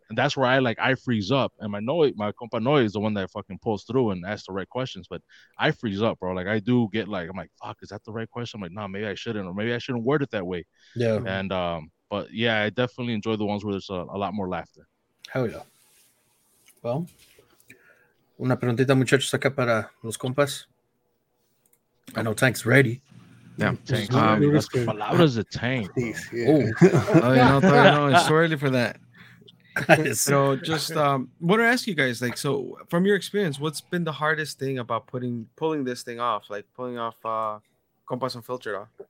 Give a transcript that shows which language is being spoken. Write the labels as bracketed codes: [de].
[en] And that's where I freeze up. And my compa Noe is the one that fucking pulls through and asks the right questions. But I freeze up, bro. Like, I do get like, I'm like, fuck, is that the right question? I'm like, nah, maybe I shouldn't, or maybe I shouldn't word it that way. Yeah. And, but yeah, I definitely enjoy the ones where there's a lot more laughter. Hell yeah. [es] Well, una preguntita, muchachos, acá para los compas. [en] I know Tank's ready. Yeah, tank. Palabras the tank. Yeah. Oh, no, it's too early for that. So, just want to ask you guys, like, so from your experience, what's been the hardest thing about pulling this thing off, like pulling off Compas Unfiltered off?